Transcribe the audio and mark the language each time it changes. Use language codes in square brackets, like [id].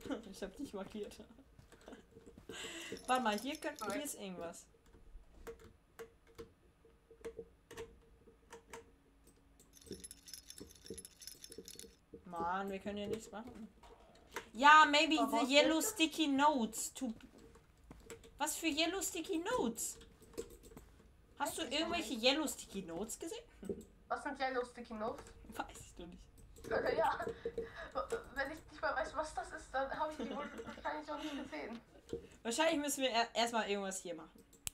[de] Ich hab dich markiert. Warte mal, hier ist irgendwas. Mann, wir können hier nichts machen. [en] Ja, maybe the yellow sticky notes. [de] Was für [en] yellow sticky notes? [de] Hast du irgendwelche [en] yellow sticky notes [de] gesehen? Was sind [en] yellow sticky notes? [de] Weiß ich doch nicht. Ja, wenn ich nicht mal weiß, was das ist, dann habe ich die wohl wahrscheinlich auch nicht gesehen. Wahrscheinlich müssen wir erstmal irgendwas hier machen.